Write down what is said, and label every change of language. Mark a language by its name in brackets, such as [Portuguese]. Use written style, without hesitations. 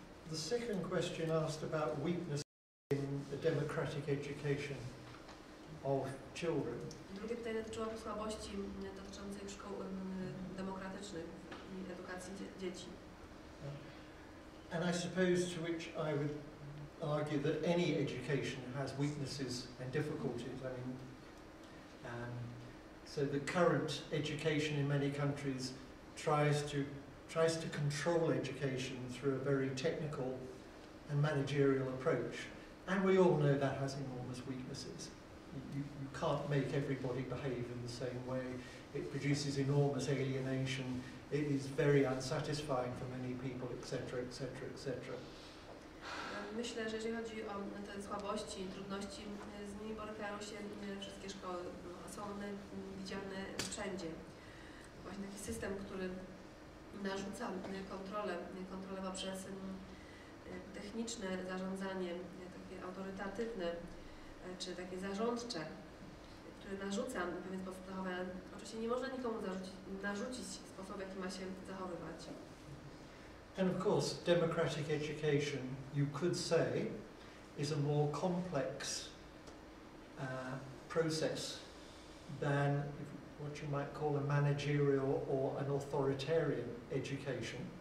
[English] The second question asked about weakness in the democratic education of children. [Polish] Drugie pytanie dotyczyło słabości dotyczącej szkół demokratycznych i edukacji dzieci. [English] And I suppose to which I would argue that any education has weaknesses and difficulties. I mean, so the current education in many countries tries to control education through a very technical and managerial approach. And we all know that has enormous weaknesses. You can't make everybody behave in the same way. It produces enormous alienation. It is very unsatisfying for many people, etc., etc., etc. [Polish] Myślę, że jeżeli chodzi o te słabości i trudności, z nimi borykają się wszystkie szkoły. Są one widziane wszędzie. Właśnie taki system, który narzuca kontrolę poprzez techniczne zarządzanie, takie autorytatywne czy takie zarządcze, który narzuca pewien sposób zachowania. Oczywiście nie można nikomu narzucić sposób, w jaki ma się zachowywać. [English] And of course, democratic education, you could say, is a more complex process than what you might call a managerial or an authoritarian education.